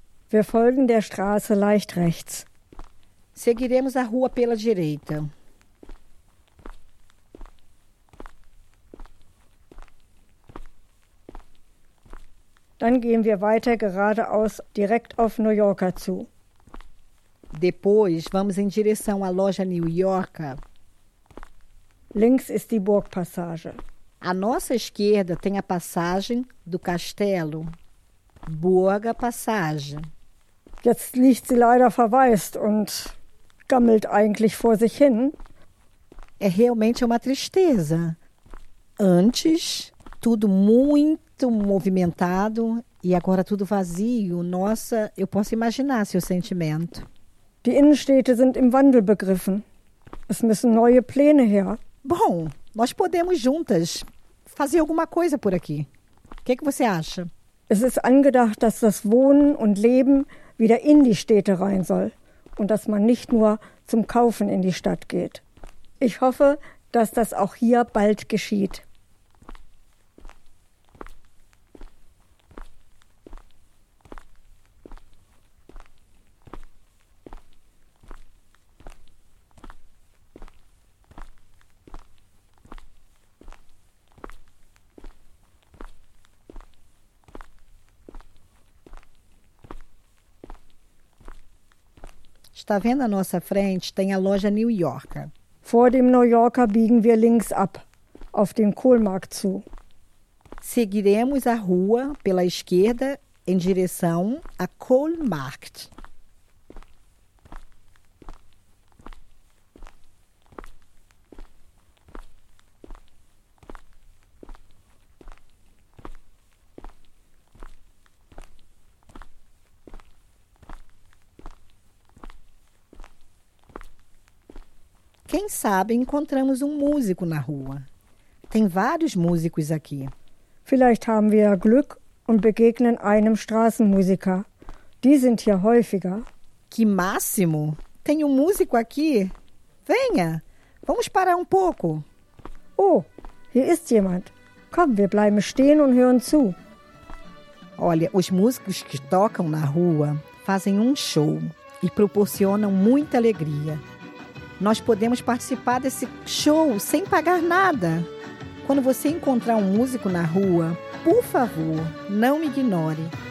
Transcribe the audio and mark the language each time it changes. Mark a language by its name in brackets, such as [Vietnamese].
[German] Wir folgen der Straße leicht rechts. [Portuguese] Seguiremos a rua pela direita. [German] Dann gehen wir weiter geradeaus direkt auf New Yorker zu. [Portuguese] Depois vamos em direção à loja New Yorker. [German] Links ist die Burgpassage. [Portuguese] À nossa esquerda tem a passagem do castelo. [German] Burger Passage. Jetzt liegt sie leider verwaist und gammelt eigentlich vor sich hin. [Portuguese] É realmente uma tristeza. Antes, tudo muito movimentado e agora tudo vazio. Nossa, eu posso imaginar seu sentimento. [German] Die Innenstädte sind im Wandel begriffen. Es müssen neue Pläne her. [Portuguese] Bom, nós podemos juntas fazer alguma coisa por aqui. O que, que você acha? [German] Es ist angedacht, dass das Wohnen und Leben wieder in die Städte rein soll und dass man nicht nur zum Kaufen in die Stadt geht. Ich hoffe, dass das auch hier bald geschieht. [Portuguese] Está vendo à nossa frente? Tem a loja New Yorker. [German] Vor dem New Yorker biegen wir links ab, auf den Kohlmarkt zu. [Portuguese] Seguiremos a rua pela esquerda em direção a Kohlmarkt. Quem sabe encontramos músico na rua. Tem vários músicos aqui. [German] Vielleicht haben wir Glück und begegnen einem Straßenmusiker. Die sind hier häufiger. [Portuguese] Que máximo! Tem músico aqui. Venha, vamos parar pouco. [German] Oh, hier ist jemand. Komm, wir bleiben stehen und hören zu. [Portuguese] Olha, os músicos que tocam na rua fazem show e proporcionam muita alegria. Nós podemos participar desse show sem pagar nada. Quando você encontrar músico na rua, por favor, não me ignore.